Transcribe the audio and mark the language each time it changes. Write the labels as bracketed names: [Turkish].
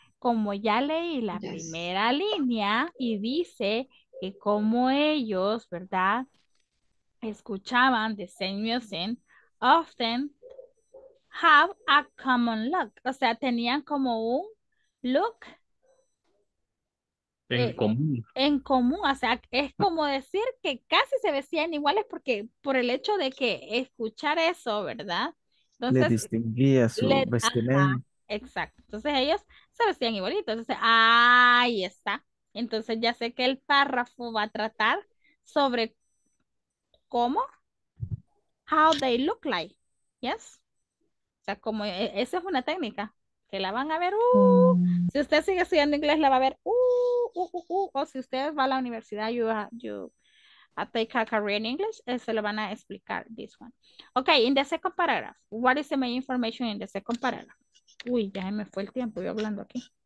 [Spanish] Como ya leí la primera línea y dice que como ellos, ¿verdad? Escuchaban [English] the same music, often have a common look. [Spanish] O sea, tenían como un look en común. O sea, es como decir que casi se vestían iguales porque por el hecho de que escuchar eso, ¿verdad? Entonces, le distinguía su vestimenta. Exacto. Entonces ellos se vestían igualitos. Entonces, ahí está. Entonces ya sé que el párrafo va a tratar sobre cómo, [English] how they look like, yes? [Spanish] O sea, como esa es una técnica, que la van a ver, si usted sigue estudiando inglés la va a ver, o si usted va a la universidad, [English] you take a career in English, [Spanish] se lo van a explicar [English] this one. Okay, in the second paragraph, what is the main information in the second paragraph? [Spanish] Uy, ya me fue el tiempo, yo hablando aquí.